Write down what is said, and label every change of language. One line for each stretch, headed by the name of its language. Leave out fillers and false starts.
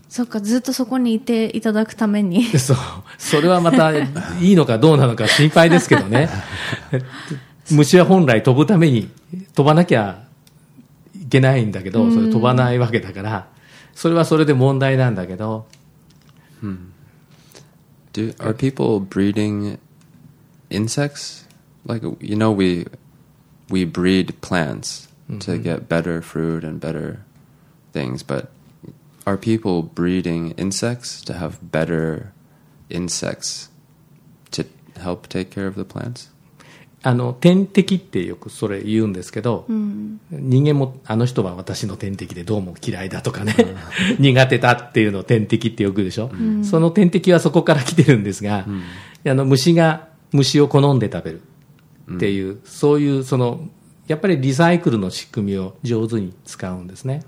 Japanese: そっか、ずっとそこにいていただくためにそう、それはまたいいのかどうなのか心配ですけどね虫は本来飛ぶために飛ばなきゃいけないんだけど、それ飛ばないわけだから、それはそれで問題なんだけど。
English: Are people breeding insects? Like, you know, we breed plants to get better fruit and better things, but are people breeding insects to have better insects to help take care of the plants?
Japanese: あの天敵ってよくそれ言うんですけど、うん、人間もあの人は私の天敵でどうも嫌いだとかね苦手だっていうのを天敵ってよくでしょ、うん、その天敵はそこから来てるんですが、うん、あの虫が虫を好んで食べるっていう、うん、そういうそのやっぱりリサイクルの仕組みを上手に使うんですね、